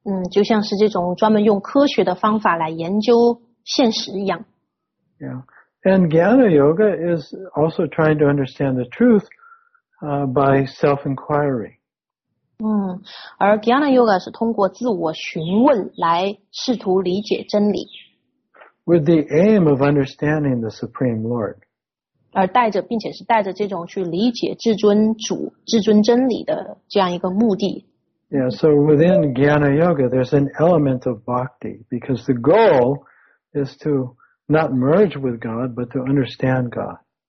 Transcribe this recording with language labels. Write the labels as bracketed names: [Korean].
[Chinese] 就像是这种专门用科学的方法来研究现实一样。 [English] Yeah, and Jnana Yoga is also trying to understand the truth, by self-inquiry. [Chinese] 而 Jnana Yoga 是通过自我询问来试图理解真理。 [English] With the aim of understanding the Supreme Lord. [Chinese] 而带着，并且是带着这种去理解至尊主、至尊真理的这样一个目的。 [English] Yeah, so within Jnana Yoga, there's an element of bhakti, because the goal is to not merge with God, but to understand God.